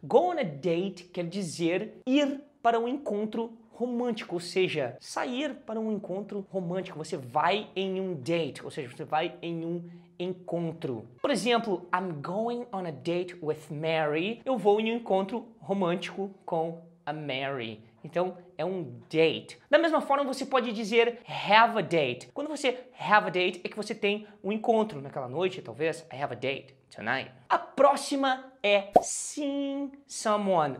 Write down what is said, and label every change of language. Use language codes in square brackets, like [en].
[en] Go on a date [pt] quer dizer ir para um encontro romântico, ou seja, sair para um encontro romântico. Você vai em um date, ou seja, você vai em um encontro. Por exemplo, [en] I'm going on a date with Mary. [pt] Eu vou em um encontro romântico com a Mary. Então, é um date. Da mesma forma, você pode dizer [en] have a date. [pt] Quando você [en] have a date, [pt] é que você tem um encontro naquela noite, talvez. [en] I have a date tonight. [pt] A próxima é [en] seeing someone.